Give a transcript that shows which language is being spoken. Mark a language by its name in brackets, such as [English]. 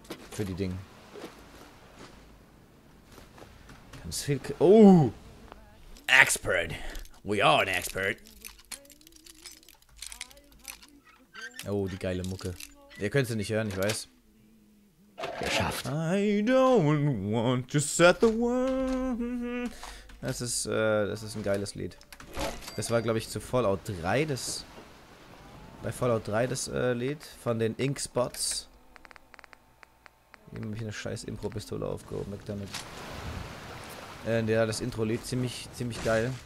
[German] Für die Dinge. Ganz viel. Oh! [English] Expert! We are an expert! [German] Oh, die geile Mucke. Ihr könnt sie nicht hören, ich weiß. Geschafft. [English] I don't want to set the world. [German] Das ist ein geiles Lied. Das war, glaube ich, zu Fallout 3 das. Bei Fallout 3 das Lied von den Inkspots. Ich habe mich eine scheiß Impro-Pistole aufgehoben, weg damit. Ja, das Intro-Lied ziemlich geil.